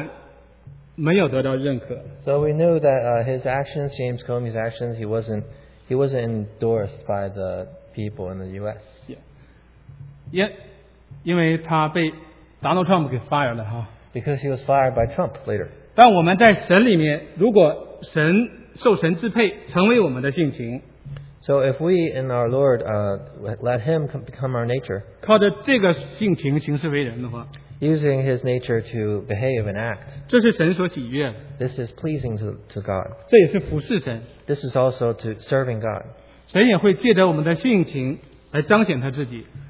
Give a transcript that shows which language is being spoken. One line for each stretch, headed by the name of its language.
Chinese: 他这样的性情，靠着性情来行为，在美国政坛没有得到认可。
English: So we knew that his actions, James Comey's actions, he wasn't endorsed by the people in the U.S. Yeah.
Chinese: 因为他被 Donald Trump 给 fired 了哈。
English: Because he was fired by Trump later.
Chinese: 但我们在神里面，如果神受神支配，成为我们的性情。
English: So if we in our Lord let him become our nature,
Chinese: 靠着这个性情行事为人的话,
English: using his nature to behave and act,
Chinese: 这是神所喜悦,
English: this is pleasing to God.
Chinese: 这也是服侍神,
English: this is also to serving God.
Chinese: 神也会借着我们的性情来彰显他自己,